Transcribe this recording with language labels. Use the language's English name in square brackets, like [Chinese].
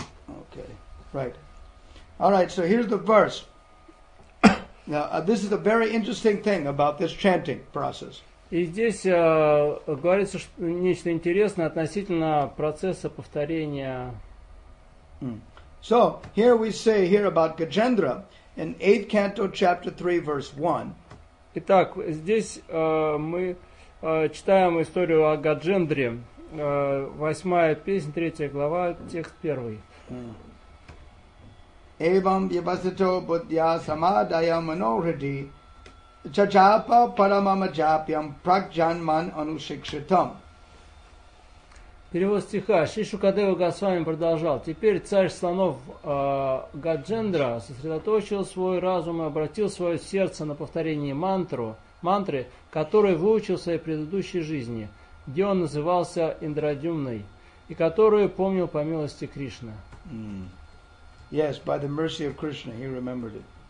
[English] Okay. Right. All right, so here's the verse. Now, this is a very interesting thing about this chanting process. [Russian] И здесь говорится нечто интересное относительно процесса повторения. [English] So, here we say here about Gajendra in 8th canto chapter 3 verse 1. [Russian] Итак, здесь мы читаем историю о Гаджендре. Восьмая песня, третья глава, текст первый. [Sanskrit] Evam vyavasito buddhya samadaya manohriti chachapa paramama japyam prakjanman anushikshitam. [Russian] Перевод стиха. Шри Шукадева Госвами продолжал. Теперь царь слонов Гаджендра сосредоточил свой разум и обратил свое сердце на повторение мантры, которую выучил в своей предыдущей жизни, где он назывался Индрадюмной, и которую помнил по милости Кришны. [English] Yes, by the mercy of Krishna, he remembered it.